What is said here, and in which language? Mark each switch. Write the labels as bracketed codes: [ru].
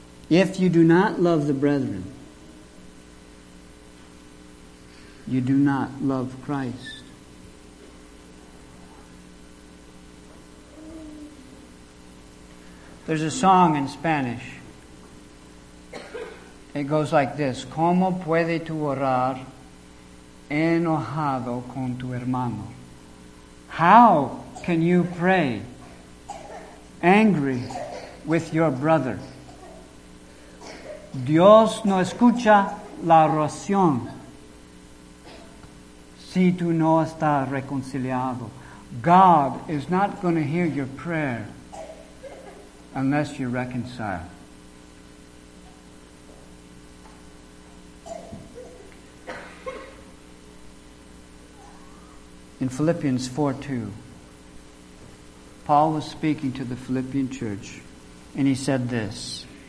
[en] If you do not love the brethren, you do not love Christ. There's a song in Spanish. It goes like this. [es] ¿Cómo puede tú orar enojado con tu hermano? [en] How can you pray angry with your brother? [es] Dios no escucha la oración si tú no estás reconciliado. [en] God is not going to hear your prayer unless you reconcile. In Philippians 4:2, Paul was speaking to the Philippian church, and he said this.